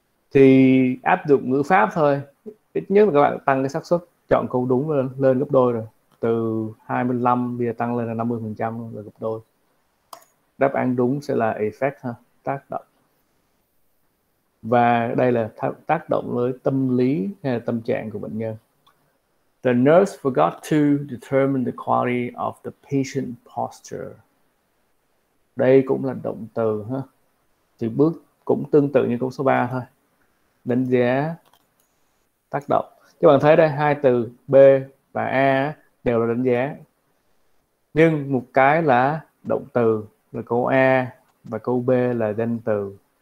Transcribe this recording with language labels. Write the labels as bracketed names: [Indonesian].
[Vietnamese] Thì áp dụng ngữ pháp thôi, ít nhất là các bạn tăng cái xác suất chọn câu đúng lên gấp đôi rồi, từ 25 bây giờ tăng lên là 50% là gấp đôi. Đáp án đúng sẽ là effect ha, tác động. Và đây là tác động với tâm lý hay là tâm trạng của bệnh nhân. [English] The nurse forgot to determine the quality of the patient posture. [Vietnamese] Đây cũng là động từ ha. Thì bước cũng tương tự như câu số 3 thôi. Đánh giá tác động. Các bạn thấy đây, hai từ B và A đều là đánh giá. Nhưng một cái là động từ là câu A và câu B là danh từ.